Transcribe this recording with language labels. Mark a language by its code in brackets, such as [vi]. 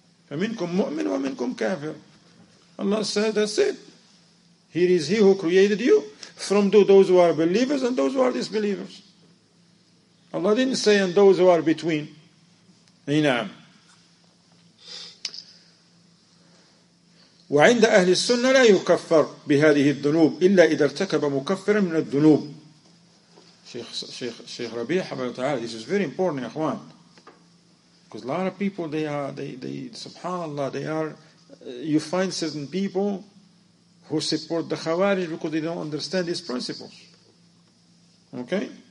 [ar] فَمِنْكُمْ مُؤْمِنْ وَمِنْكُمْ كَافِرٌ. [en] Allah said, that's it. Here is he who created you from those who are believers and those who are disbelievers. Allah didn't say, and those who are between. Inam. [ar] وعند أهل السنة لا يكفر بهذه الذنوب إلا إذا ارتكب مكفرا من الذنوب. شيخ ربيع حفظه تعالى. [en] This is very important, [ar] إخوان. [en] Because a lot of people they سبحان الله they are you find certain people who support the Khawarij because they don't understand these principles. Okay.